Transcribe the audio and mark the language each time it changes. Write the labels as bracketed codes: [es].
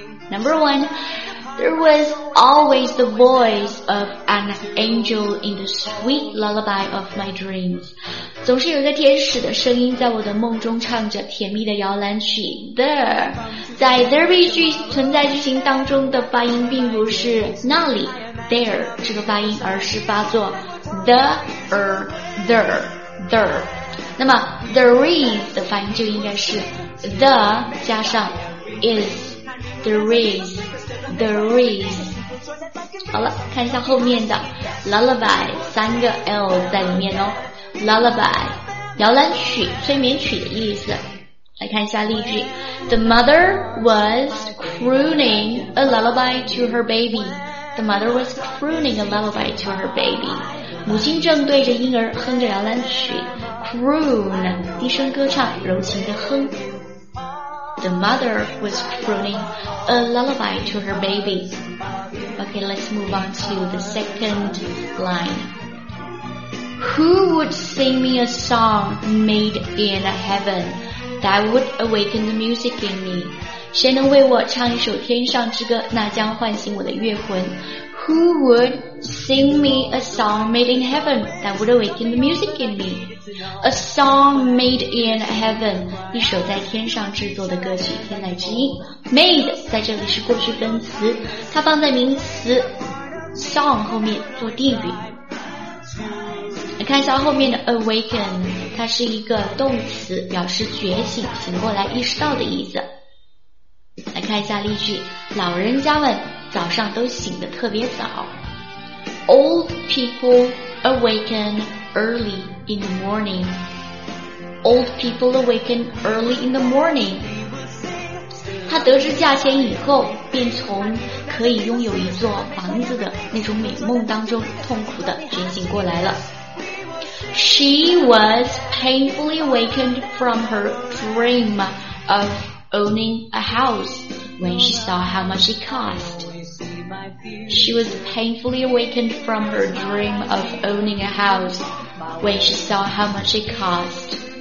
[en] Number one,There was always the voice of an angel in the sweet lullaby of my dreams. [zh] 总是有一个天使的声音在我的梦中唱着甜蜜的摇篮曲。 There, 在 there 句存在句型当中的发音并不是那里 there 这个发音，而是发作 the, there, there. 那么 there is 的发音就应该是 the 加上 is, there is. There is. 好了，看一下后面的 lullaby 三个 L 在里面哦。 Lullaby 摇篮曲，催眠曲的意思。来看一下例句 [en] ：The mother was crooning a lullaby to her baby. The mother was crooning a lullaby to her baby. [zh] 母亲正对着婴儿哼着摇篮曲 ，croon 低声歌唱，柔情的哼。 [en] The mother was crooning a lullaby to her baby. Okay, let's move on to the second line. Who would sing me a song made in heaven that would awaken the music in me? [zh] 谁能为我唱一首天上之歌，那将唤醒我的乐魂。 [en] Who would sing me a song made in heaven that would awaken the music in me? A song made in heaven, [zh] 一首在天上制作的歌曲，天籁之音。 Made 在这里是过去分词，它放在名词 song 后面做定语。来看一下后面的 awaken, 它是一个动词，表示觉醒、醒过来、意识到的意思。来看一下例句，老人家们早上都醒得特别早。 [en] Old people awaken early in the morning. Old people awaken early in the morning. [zh] 他得知价钱以后，便从可以拥有一座房子的那种美梦当中痛苦地觉醒过来了。 [en] She was painfully awakened from her dream of owning a house when she saw how much it cost. She was painfully awakened from her dream of owning a house when she saw how much it cost.